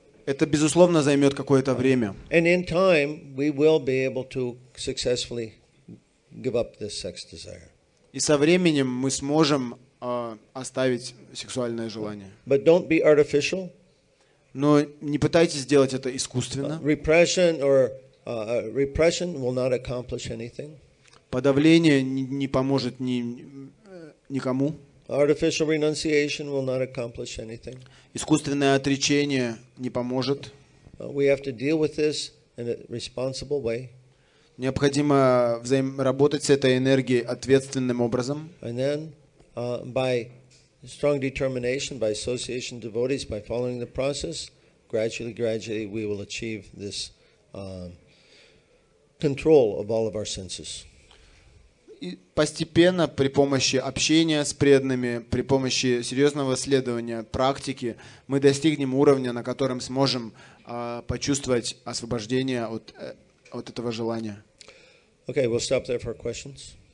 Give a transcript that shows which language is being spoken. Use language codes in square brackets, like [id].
[ru] Это, безусловно, займет какое-то время. [en] And in time, we will be able to successfully give up this sex desire. [ru] И со временем мы сможем оставить сексуальное желание. [en] But don't be artificial. [ru] Но не пытайтесь сделать это искусственно. [en] Repression or repression will not accomplish anything. [ru] Подавление не поможет никому. [en] Artificial renunciation will not accomplish anything. [ru] Искусственное отречение не поможет. [en] We have to deal with this in a responsible way. [ru] Необходимо работать с этой энергией ответственным образом. [en] And then, by strong determination, by association of devotees, by following the process, gradually we will achieve this control of all of our senses. [ru] И постепенно, при помощи общения с преданными, при помощи серьезного следования практики, мы достигнем уровня, на котором сможем почувствовать освобождение от этого желания. [en] Okay, we'll stop there for questions.